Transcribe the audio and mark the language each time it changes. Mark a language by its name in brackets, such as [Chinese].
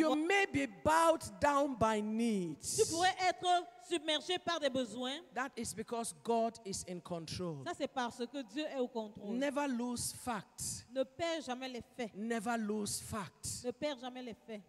[English] You may be bowed down by needs. [French] Tu pourrais être submergé par des besoins. [English] That is because God is in control. [French] Ça c'est parce que Dieu est au contrôle. [English] Never lose fact. [French] Ne perds jamais les faits. [English] Never lose fact. [French] Ne perds jamais les faits.